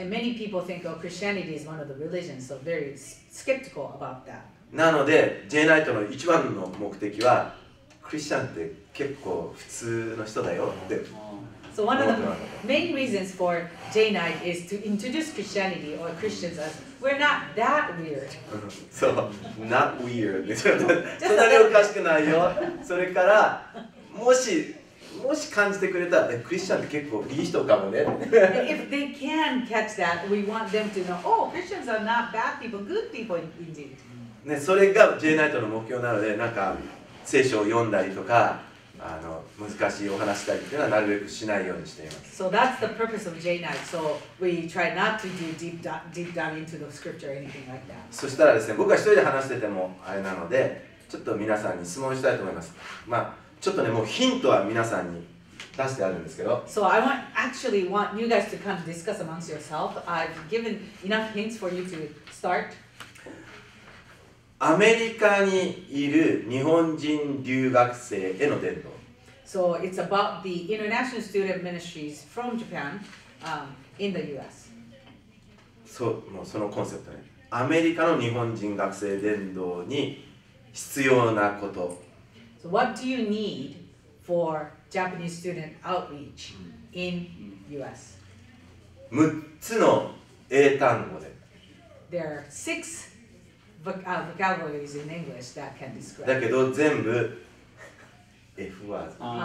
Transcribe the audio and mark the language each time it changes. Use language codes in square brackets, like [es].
[en] And many people think, oh, Christianity is one of the religions, so very skeptical about that. [ja] なので、J ナイトの一番の目的は、クリスチャンって結構普通の人だよって。 [en] So one of the main reasons for J Night is to introduce Christianity or Christians as we're not that weird. そう、not weird. [ja] そんなにおかしくないよ。それから、もし感じてくれたら、クリスチャンって結構いい人かもね。 [en] If they can catch that, we want them to know, oh, Christians are not bad people, good people indeed. [ja] ね、それが J Night の目標なので、なんか聖書を読んだりとか、難しいお話したりっていうのはなるべくしないようにしています。 [en] So that's the purpose of J-Night. So we try not to do deep dive into the scripture or anything like that. [ja] そしたらですね、僕は一人で話しててもあれなので、ちょっと皆さんに質問したいと思います。まあちょっとね、もうヒントは皆さんに出してあるんですけど。 [en] So I actually want you guys to kind of discuss amongst yourself. I've given enough hints for you to start. [ja] アメリカにいる日本人留学生への伝道。 [en] So it's about the international student ministries from Japan, in the U.S. [ja] そう、もうそのコンセプトね。アメリカの日本人学生伝道に必要なこと。 [en] So what do you need for Japanese student outreach in U.S.? [ja] 6つの英単語で。 [en] There are six. Vocabularies in English that can describe. [ja] だけど全部 F ワード。